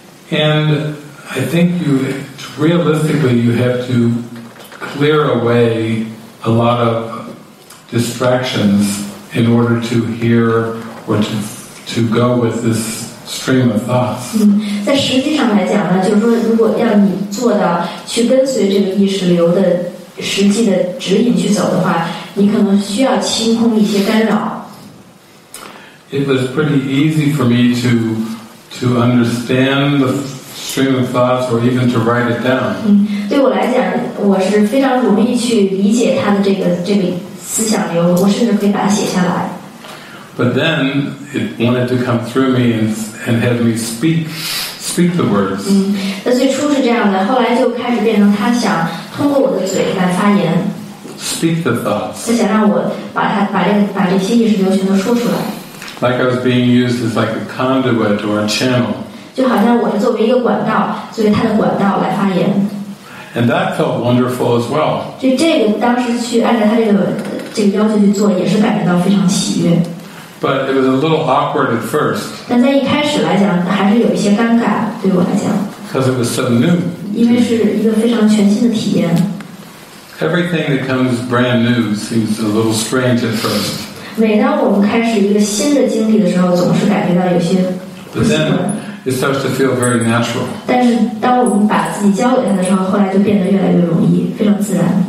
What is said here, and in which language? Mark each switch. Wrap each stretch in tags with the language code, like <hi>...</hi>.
<en>And I think you, realistically, you have to clear away a lot of distractions in order to hear or to go with this stream of thoughts.</en> <zh>在实际上来讲呢，就是说，如果要你做到去跟随这个意识流的。实际的指引去走的话，你可能需要清空一些干扰。</zh> <en>It was pretty easy for me to understand the stream of thoughts or even to write it down.</en> <zh>对我来讲，我是非常容易去理解他的这个思想流，我甚至可以把它写下来。</zh> <en>But then it wanted to come through me and have me speak the words.</en> <zh>那最初是这样的，后来就开始变成他想。通过我的嘴来发言</zh> <en>Speak the thoughts</en> <zh>他想让我把这些意识流全都说出来</zh> <en>Like I was being used as like a conduit or a channel</en> <zh>就好像我是作为一个管道作为他的管道来发言</zh> <en>And that felt wonderful as well</en> <zh>就这个当时去按照他这个要求去做也是感觉到非常喜悦</zh> <en>But it was a little awkward at first</en> <zh>但在一开始来讲还是有一些尴尬对我来讲</zh> <en>Because it was so new</en> <zh>因为是一个非常全新的体验。</zh> <en>Everything that comes brand new seems a little strange at first.</en> <zh>每当我们开始一个新的经历的时候，总是感觉到有些不习惯。</zh> <en>But then it starts to feel very natural.</en> <zh>但是当我们把自己交给他的时候，后来就变得越来越容易，非常自然。</zh>